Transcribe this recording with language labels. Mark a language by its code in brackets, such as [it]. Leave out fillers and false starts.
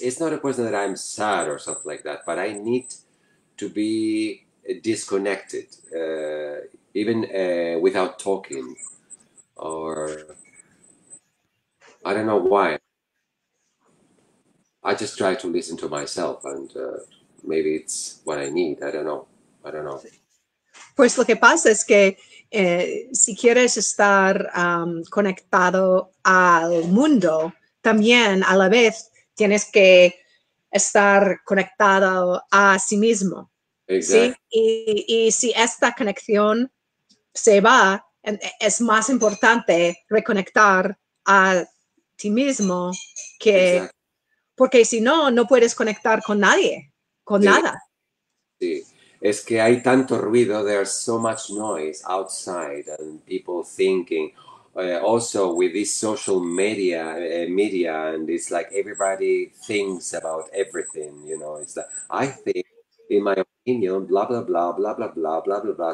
[en] It's not a question that I'm sad or something like that, but I need to be disconnected, even without talking, or I don't know why. I just try to listen to myself, and maybe it's what I need. I don't know. [es] Pues lo que pasa es que si quieres estar conectado al mundo, también a la vez tienes que estar conectado a sí mismo. Exacto. ¿Sí? Y si esta conexión se va, es más importante reconectar a ti mismo que... Exacto. Porque si no, no puedes conectar con nadie, con sí. nada. Sí. Es que hay tanto ruido, [en] there's so much noise outside and people thinking. Also with this social media, and it's like everybody thinks about everything, you know. It's that I think, in my opinion, blah, blah, blah, blah, blah, blah, blah, blah, blah.